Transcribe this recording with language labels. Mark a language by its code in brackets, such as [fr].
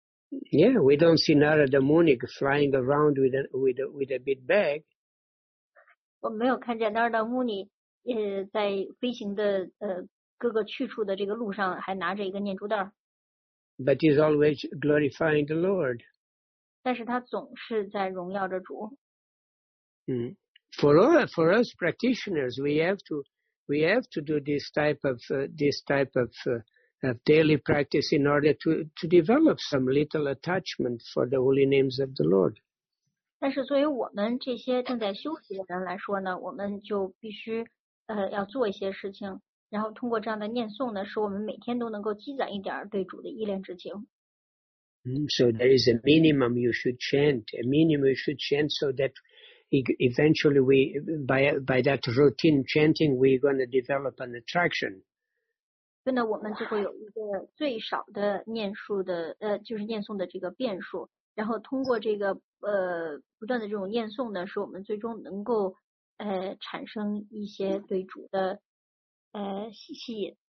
[en] Yeah, we don't see Narada Muni flying around with a big bag. [zh] 我没有看见 Narada Muni 在飞行的各个去处的这个路上还拿着一个念珠袋。 [en] But he's always glorifying the Lord. [zh] 但是他总是在荣耀着主。 [en] For us practitioners, we have to do this type of of daily practice in order to develop some little attachment for the holy names of the Lord. [zh] 但是作为我们这些正在修习的人来说呢，我们就必须要做一些事情，然后通过这样的念诵呢，使我们每天都能够积攒一点对主的依恋之情。 [en] So there is a minimum you should chant, a minimum you should chant so that eventually we, by that routine chanting, we're going to develop an attraction. [zh] 所以呢，我们就会有一个最少的念数的就是念诵的这个遍数，然后通过这个不断的这种念诵呢，使我们最终能够产生一些对主的吸引。